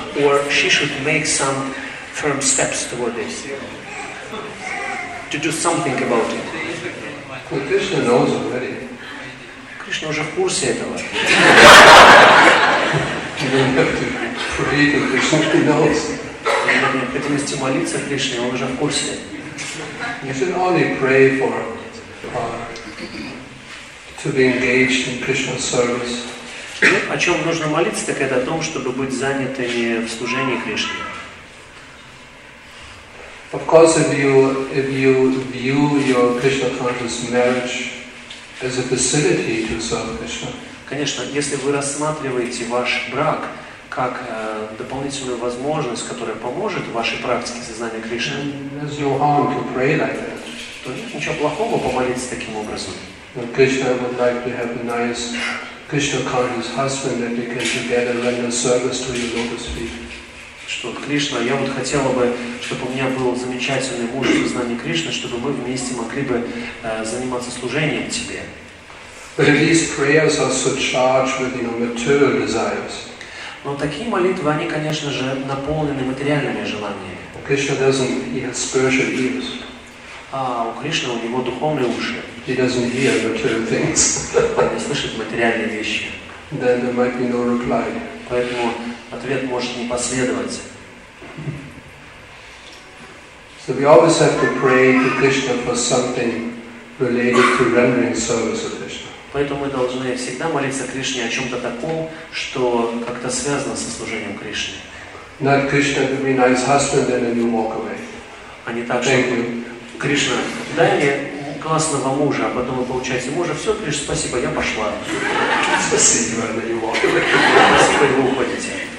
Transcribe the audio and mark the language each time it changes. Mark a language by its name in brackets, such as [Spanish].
[English] Or she should make some firm steps toward this, to do something about it. Well, Krishna knows already. [Russian] Krishna уже в курсе этого. [English] You don't have to pray to Krishna, he knows. [Russian] Нет необходимости молиться Кришне, он уже в курсе. [English] You should only pray for to be engaged in Krishna's service. [Russian] Ну, о чем нужно молиться, так это о том, чтобы быть занятыми в служении Кришне. [English] Of course, if you view your Krishna conscious marriage as a facility to serve Krishna. [Russian] Конечно, если вы рассматриваете ваш брак как дополнительную возможность, которая поможет вашей практике сознания Кришны, [English] there's no harm to pray like that. [Russian] То нет ничего плохого помолиться таким образом. [English] But Krishna would like to have a nice Krishna conscious husband that they can together render service to your lotus feet. [Russian] Что Кришна, я вот хотела бы, чтобы у меня был замечательный муж в сознании Кришны, чтобы мы вместе могли бы заниматься служением Тебе. [English] But these prayers are so charged with, you know, material desires. [Russian] Но такие молитвы, они, конечно же, наполнены материальными желаниями. [English] Krishna doesn't, he has spiritual ears. [Russian] А у Кришны, у него духовные уши. [English] He doesn't hear material things. [Russian] Он не слышит материальные вещи. [English] Then there might be no reply. [Russian] Поэтому ответ может не последовать. [English] So we always have to pray to Krishna for something related to rendering service of Krishna. [Russian] Поэтому мы должны всегда молиться Кришне о чем-то таком, что как-то связано со служением Кришне. [English] Not Krishna, give me a nice husband and then you walk away. [Russian] А не так, что Кришна, дай мне классного мужа, а потом вы получаете мужа, все, Кришна, спасибо, я пошла. Спасибо, на него. Спасибо, вы уходите.